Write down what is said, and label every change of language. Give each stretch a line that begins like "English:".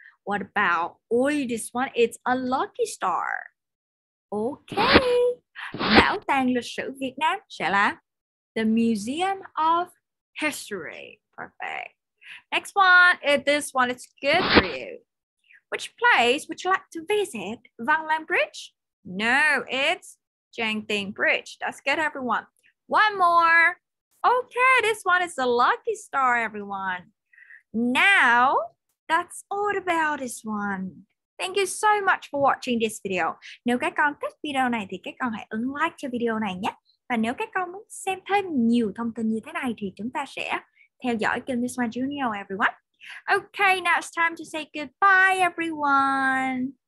English: What about, this one, it's a lucky star. Okay.
Vietnamese: Bảo tàng lịch sử Việt Nam sẽ là the Museum of History.
English: Perfect. Next one, this one is good for you. Which place would you like to visit? Van Lam Bridge? No, it's Chang Tien Bridge. That's good, everyone. One more. Okay, this one is the lucky star, everyone. Now, that's all about this one. Thank you so much for watching this video.
Vietnamese: Nếu các con thích video này thì các con hãy ấn like cho video này nhé. Và nếu các con muốn xem thêm nhiều thông tin như thế này thì chúng ta sẽ theo dõi kênh Ms. Hoa Junior, everyone. Okay, now it's time to say goodbye, everyone.